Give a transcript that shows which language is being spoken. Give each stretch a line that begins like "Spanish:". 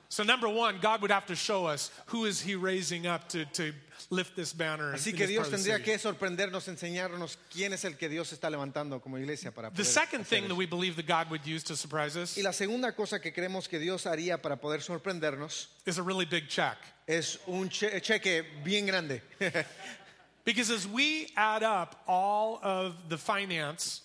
English: So number one, God would have to show us who is He raising up to lift this banner.
Spanish: Así que Dios tendría que sorprendernos, enseñarnos quién es el que Dios está levantando como iglesia para poder.
English: The second thing that we believe that God would use to surprise us,
Spanish: y la segunda cosa que creemos que Dios haría para poder sorprendernos,
English: is a really big check.
Spanish: Es un cheque bien grande.
English: Because as we add up all of the finance,